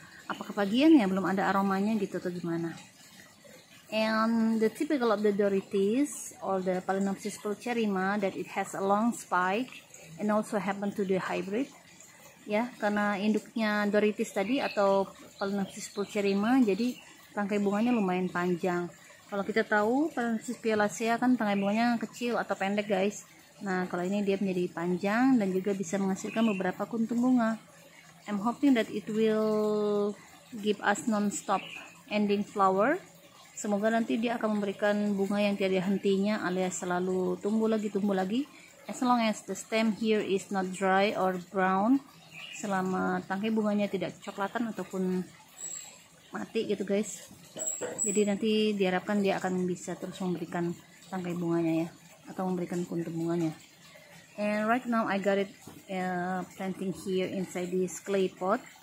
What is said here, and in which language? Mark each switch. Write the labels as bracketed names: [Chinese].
[Indonesian] Apa kepagian ya belum ada aromanya gitu atau gimana? [English] And the typical of the Dorites or the Palinopsis Pulcherrima that it has a long spike. And also happen to the hybrid, [Indonesian] ya, karena induknya Dorites tadi atau Palinopsis Pulcherrima, jadi tangkai bunganya lumayan panjang. Kalau kita tahu Palinopsis Violaceae kan tangkai bunganya kecil atau pendek guys. Nah kalau ini dia menjadi panjang dan juga bisa menghasilkan beberapa kuntum bunga. [English] I'm hoping that it will give us non-stop ending flower. [Indonesian] Semoga nanti dia akan memberikan bunga yang tiada hentinya, alias selalu tumbuh lagi. [English] As long as the stem here is not dry or brown, [Indonesian] selama tangkai bunganya tidak coklatan ataupun mati gitu guys. Jadi nanti diharapkan dia akan bisa terus memberikan tangkai bunganya ya, atau memberikan kuntum bunganya. [English] And right now I got it planting here inside this clay pot.